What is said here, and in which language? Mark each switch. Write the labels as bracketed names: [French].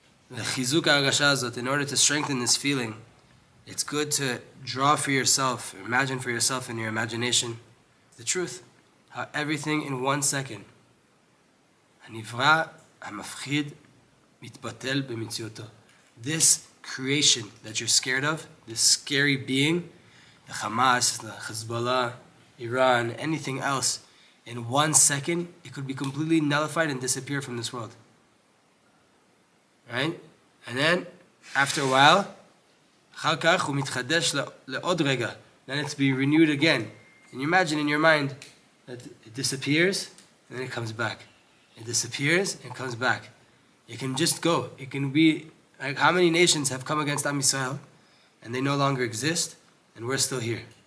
[English] In order to strengthen this feeling, it's good to draw for yourself, imagine for yourself in your imagination, the truth, how everything in 1 second, [Hebrew] הנברא המפחיד מתבטל במציאותו. [English] This creation that you're scared of, this scary being, the Hamas, the Hezbollah, Iran, anything else, in 1 second, it could be completely nullified and disappear from this world. Right? And then, after a while, [Hebrew] אחר כך הוא מתחדש לעוד רגע. [English] Then it's being renewed again. And you imagine in your mind that it disappears and then it comes back. It disappears and comes back. It can just go. It can be like how many nations have come against Am Yisrael and they no longer exist and we're still here.